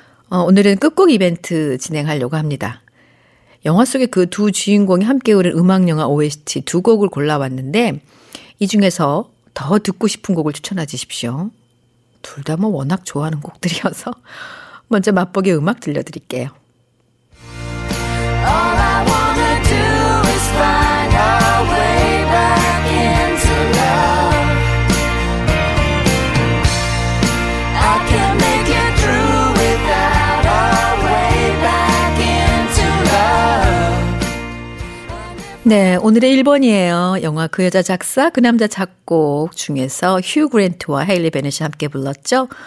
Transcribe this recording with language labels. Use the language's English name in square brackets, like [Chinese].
[Korean] 오늘은 끝곡 이벤트 진행하려고 합니다. 영화 속의 그 두 주인공이 함께 흐른 음악 영화 OST 두 곡을 골라왔는데 이 중에서 더 듣고 싶은 곡을 추천해 주십시오. 둘 다 뭐 워낙 좋아하는 곡들이어서 먼저 맛보기 음악 들려드릴게요. [English] All I wanna do is find a way back into love. I can make it through without a way back into love. [Korean] 네, 오늘의 1번이에요. 영화 그 여자 작사, 그 남자 작곡 중에서 휴 그랜트와 헤일리 베넷이 함께 불렀죠.